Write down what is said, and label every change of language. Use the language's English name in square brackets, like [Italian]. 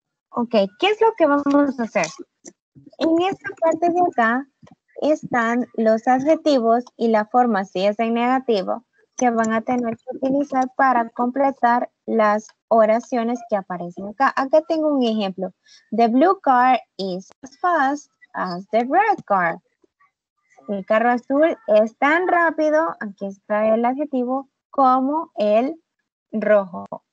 [Spanish] Ok, ¿qué es lo que vamos a hacer? En esta parte de acá están los adjetivos y la forma, si es en negativo, que van a tener que utilizar para completar las oraciones que aparecen acá. Acá tengo un ejemplo. [English] The blue car is as fast as the red car. [Spanish] El carro azul es tan rápido, aquí está el adjetivo, como el rojo.